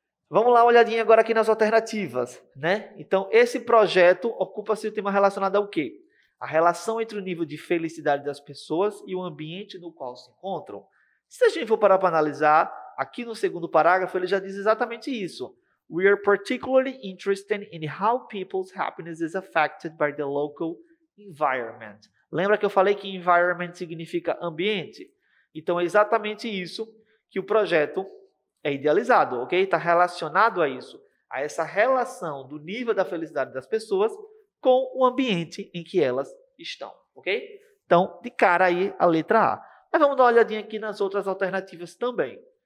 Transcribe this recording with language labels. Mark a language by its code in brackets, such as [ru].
[pt] Vamos lá, uma olhadinha agora aqui nas alternativas, né? Então esse projeto ocupa-se do tema relacionado ao quê? A relação entre o nível de felicidade das pessoas e o ambiente no qual se encontram. Se a gente for parar para analisar, aqui no segundo parágrafo, ele já diz exatamente isso. [en] We are particularly interested in how people's happiness is affected by the local environment. [pt] Lembra que eu falei que environment significa ambiente? Então, é exatamente isso que o projeto é idealizado, ok? Está relacionado a isso, a essa relação do nível da felicidade das pessoas com o ambiente em que elas estão, ok? Então, de cara aí, a letra A. Mas vamos dar uma olhadinha aqui nas outras alternativas também.